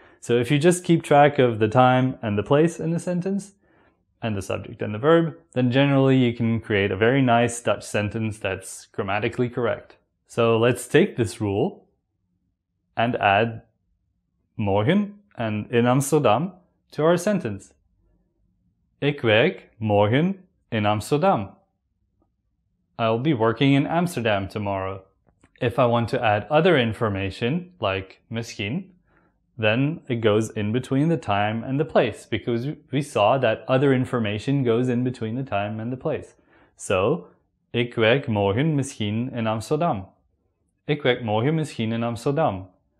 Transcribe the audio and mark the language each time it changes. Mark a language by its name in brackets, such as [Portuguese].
[English] So if you just keep track of the time and the place in the sentence, and the subject and the verb, then generally you can create a very nice Dutch sentence that's grammatically correct. So let's take this rule and add morgen and in Amsterdam to our sentence. [Dutch] Ik werk morgen in Amsterdam. [English] I'll be working in Amsterdam tomorrow. If I want to add other information, like misschien, then it goes in between the time and the place, because we saw that other information goes in between the time and the place. [Dutch] So, ik werk morgen misschien in Amsterdam. Ik werk morgen misschien in Amsterdam.